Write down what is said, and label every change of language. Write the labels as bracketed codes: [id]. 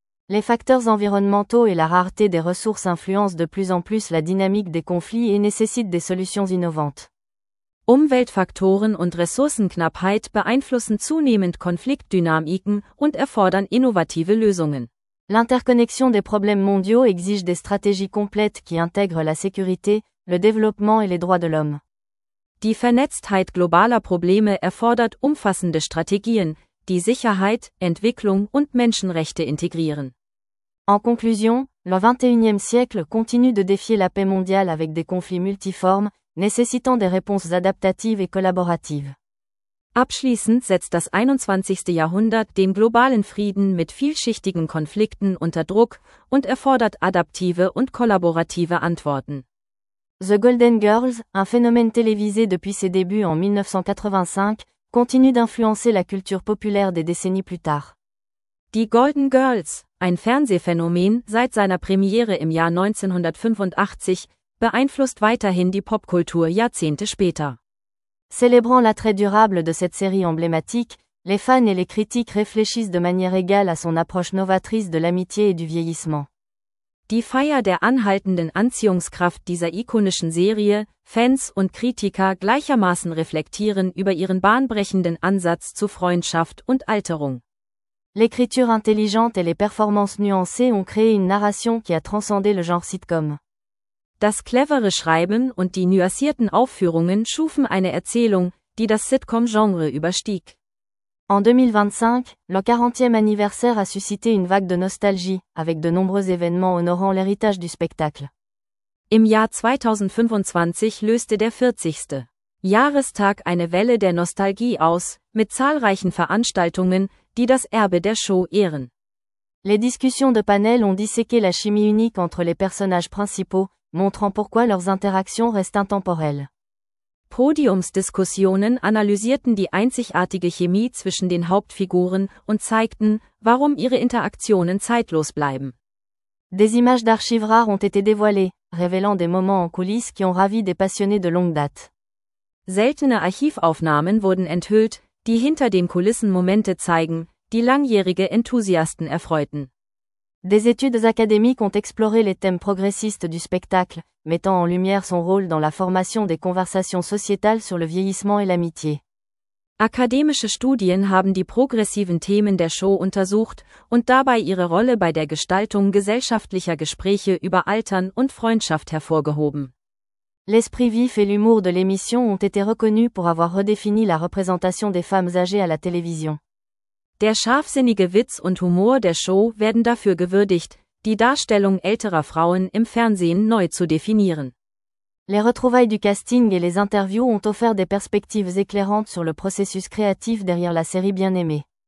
[fr] Les facteurs environnementaux et la rareté des ressources influencent de plus en plus la dynamique des conflits et nécessitent des solutions innovantes. [de] Umweltfaktoren und Ressourcenknappheit beeinflussen zunehmend Konfliktdynamiken und erfordern innovative Lösungen. [fr] L'interconnexion des problèmes mondiaux exige des stratégies complètes qui intègrent la sécurité, le développement et les droits de l'homme. [de] Die Vernetztheit globaler Probleme erfordert umfassende Strategien, die Sicherheit, Entwicklung und Menschenrechte integrieren. [fr] En conclusion, le 21e siècle continue de défier la paix mondiale avec des conflits multiformes, nécessitant des réponses adaptatives et collaboratives. [de] Abschließend setzt das 21. Jahrhundert den globalen Frieden mit vielschichtigen Konflikten unter Druck und erfordert adaptive und kollaborative Antworten. [fr] The Golden Girls, un phénomène télévisé depuis ses débuts en 1985, continue d'influencer la culture populaire des décennies plus tard. [de] Die Golden Girls, ein Fernsehphänomen seit seiner Premiere im Jahr 1985, beeinflusst weiterhin die Popkultur Jahrzehnte später. [fr] Célébrant l'attrait durable de cette série emblématique, les fans et les critiques réfléchissent de manière égale à son approche novatrice de l'amitié et du vieillissement. [de] Die Feier der anhaltenden Anziehungskraft dieser ikonischen Serie, Fans und Kritiker gleichermaßen reflektieren über ihren bahnbrechenden Ansatz zu Freundschaft und Alterung. [fr] L'écriture intelligente et les performances nuancées ont créé une narration qui a transcendé le genre sitcom. [de] Das clevere Schreiben und die nuancierten Aufführungen schufen eine Erzählung, die das Sitcom-Genre überstieg. [fr] En 2025, le 40e anniversaire a suscité une vague de nostalgie, avec de nombreux événements honorant l'héritage du spectacle. [de] Im Jahr 2025 löste der 40. Jahrestag eine Welle der Nostalgie aus, mit zahlreichen Veranstaltungen, die das Erbe der Show ehren. [fr] Les discussions de panel ont disséqué la chimie unique entre les personnages principaux, montrant pourquoi leurs interactions restent intemporelles. [de] Podiumsdiskussionen analysierten die einzigartige Chemie zwischen den Hauptfiguren und zeigten, warum ihre Interaktionen zeitlos bleiben. [fr] Des images d'archives rares ont été dévoilées, révélant des moments en coulisses qui ont ravi des passionnés de longue date. [de] Seltene Archivaufnahmen wurden enthüllt, die hinter den Kulissen Momente zeigen, die langjährige Enthusiasten erfreuten. [fr] Des études académiques ont exploré les thèmes progressistes du spectacle, mettant en lumière son rôle dans la formation des conversations sociétales sur le vieillissement et l'amitié. [de] Akademische Studien haben die progressiven Themen der Show untersucht und dabei ihre Rolle bei der Gestaltung gesellschaftlicher Gespräche über Altern und Freundschaft hervorgehoben. [fr] L'esprit vif et l'humour de l'émission ont été reconnus pour avoir redéfini la représentation des femmes âgées à la télévision. [de] Der scharfsinnige Witz und Humor der Show werden dafür gewürdigt, die Darstellung älterer Frauen im Fernsehen neu zu definieren. [fr] Les retrouvailles du casting et les interviews ont offert des perspectives éclairantes sur le processus créatif derrière la série bien-aimée.